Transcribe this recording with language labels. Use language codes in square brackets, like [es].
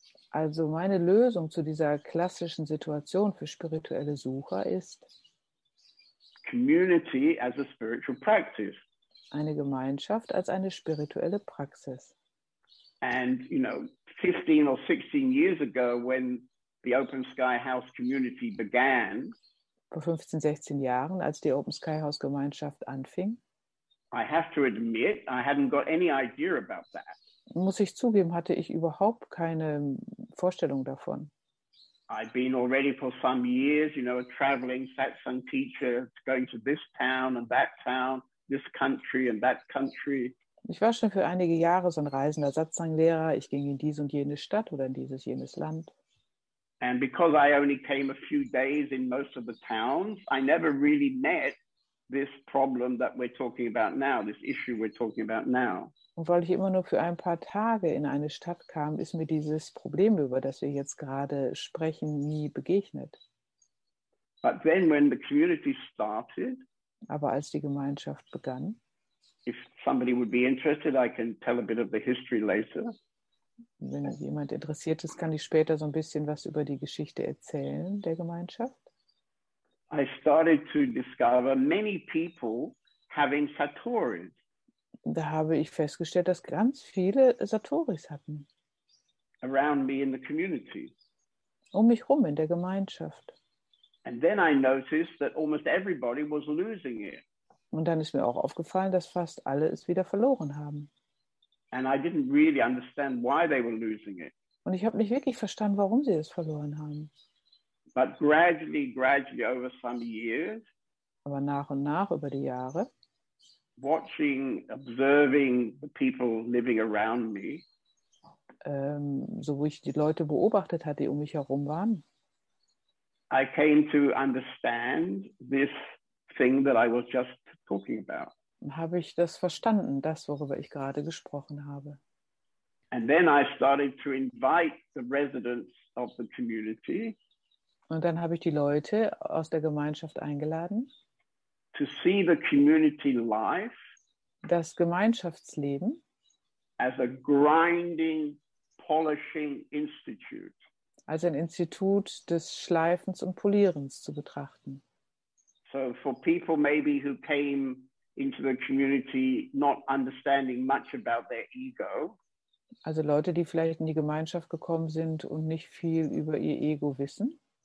[de] Also meine Lösung zu dieser klassischen Situation für spirituelle Sucher ist [en] Community as a spiritual practice. [de] Eine Gemeinschaft als eine spirituelle Praxis. [en] And you know, 15 or 16 years ago when the Open Sky House community began, [de] vor 15, 16 Jahren, als die Open Sky House Gemeinschaft anfing, [en] I have to admit, I hadn't got any idea about that. [de] Muss ich zugeben, hatte ich überhaupt keine Vorstellung davon. [en] I'd been already for some years, you know, a traveling satsang teacher, going to this town and that town, this country and that country. [de] Ich war schon für einige Jahre so ein reisender Satsang-Lehrer. Ich ging in diese und jene Stadt oder in dieses jenes Land. [en] And because I only came a few days in most of the towns, I never really met this problem that we're talking about now, this issue we're talking about now. [de] Und weil ich immer nur für ein paar Tage in eine Stadt kam, ist mir dieses Problem, über das wir jetzt gerade sprechen, nie begegnet. [en] But then when the community started, [de] aber als die Gemeinschaft begann, [en] if somebody would be interested, I can tell a bit of the history later. [de] Wenn jemand interessiert ist, kann ich später so ein bisschen was über die Geschichte erzählen der Gemeinschaft. [en] I started to discover many people having Satoris. [de] Da habe ich festgestellt, dass ganz viele Satoris hatten. [en] Around me in the community. [de] Um mich rum in der Gemeinschaft. [en] And then I noticed that almost everybody was losing it. [de] Und dann ist mir auch aufgefallen, dass fast alle es wieder verloren haben. [en] And I didn't really understand why they were losing it. [de] Und ich habe nicht wirklich verstanden, warum sie es verloren haben. [en] But gradually over some years, [de] aber nach und nach über die Jahre, [en] watching, observing the people living around me, [de] so wo ich die Leute beobachtet hatte, die um mich herum waren, [en] I came to understand this thing that I was just talking about. [de] Habe ich das verstanden, das, worüber ich gerade gesprochen habe. [en] And then I started to invite the residents of the community. [de] Und dann habe ich die Leute aus der Gemeinschaft eingeladen, [en] to see the community life, [de] das Gemeinschaftsleben, [en] as a grinding, polishing institute, [de] als ein Institut des Schleifens und Polierens zu betrachten. [en] So for people maybe who came into the community not understanding much about their ego. [de] Also Leute, die vielleicht in die Gemeinschaft gekommen sind und nicht viel über ihr Ego wissen.